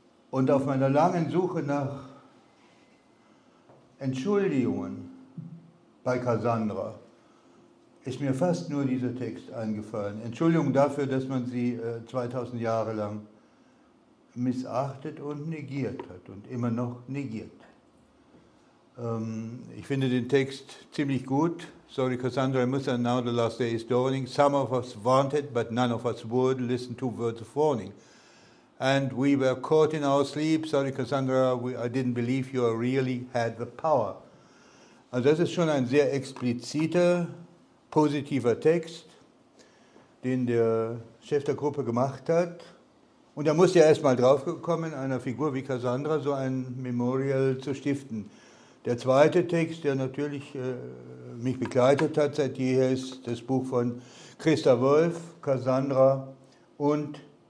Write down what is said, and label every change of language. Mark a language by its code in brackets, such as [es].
[de] Und auf meiner langen Suche nach Entschuldigungen bei Cassandra ist mir fast nur dieser Text eingefallen. Entschuldigung dafür, dass man sie 2000 Jahre lang missachtet und negiert hat und immer noch negiert. Ich finde den Text ziemlich gut. [en] Sorry, Cassandra, I must say now the last day is dawning. Some of us wanted, but none of us would listen to words of warning. And we were caught in our sleep. Sorry, Cassandra, I didn't believe you really had the power. [de] Also das ist schon ein sehr expliziter, positiver Text, den der Chef der Gruppe gemacht hat. Und er musste ja erst mal draufgekommen, einer Figur wie Cassandra so ein Memorial zu stiften. Der zweite Text, der natürlich mich begleitet hat seit jeher, ist das Buch von Christa Wolf, Cassandra, und